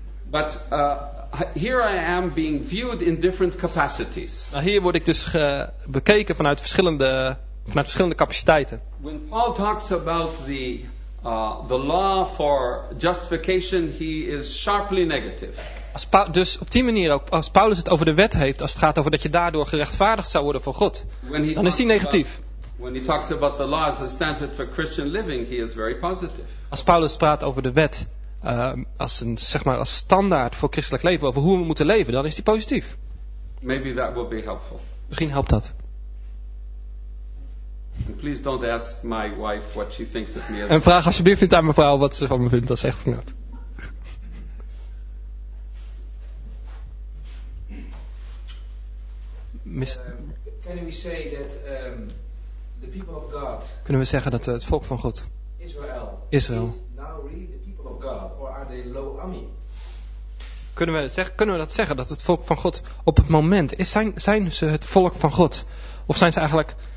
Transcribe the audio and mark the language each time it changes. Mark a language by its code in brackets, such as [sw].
[en] But here I am being viewed in different capacities. [nl] Hier word ik dus bekeken vanuit verschillende capaciteiten. [en] When Paul talks about the law for justification, he is sharply negative. [nl] Dus op die manier ook, als Paulus het over de wet heeft, als het gaat over dat je daardoor gerechtvaardigd zou worden voor God, dan is hij negatief. [en] When he talks about the law as a standard for Christian living, he is very positive. [nl] Als Paulus praat over de wet als standaard voor christelijk leven, over hoe we moeten leven, dan is hij positief. [en] Maybe that will be helpful. [nl] Misschien helpt dat. [en] And please don't ask my wife what she thinks of me. [nl] En vraag alsjeblieft niet aan mevrouw wat ze van me vindt, dat is echt niet. [en] Can we say that the people of God? [nl] Kunnen we zeggen dat het volk van God? [en] Israel. Is now really the people of God, or are they low ami? [nl] Kunnen we dat zeggen dat het volk van God op het moment is? Zijn ze het volk van God, of zijn ze eigenlijk?